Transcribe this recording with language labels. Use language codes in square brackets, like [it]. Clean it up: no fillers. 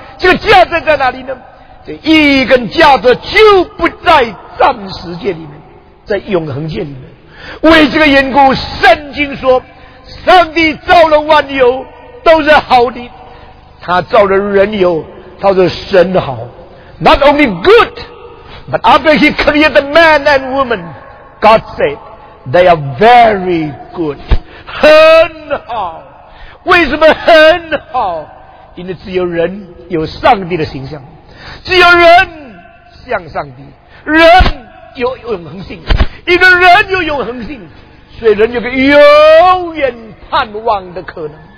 [zh] 这个价值在哪里呢？这意义跟价值就不在暂时界里面，在永恒界里面。为这个缘故，圣经说上帝造了万有都是好的，他造了人有，他是神好。 [en] Not only good, but after he created the man and woman, God said they are very good, [zh] 很好。为什么很好？因为只有人有上帝的形象，只有人像上帝，人有永恒性。一个人有永恒性，所以人有个永远盼望的可能。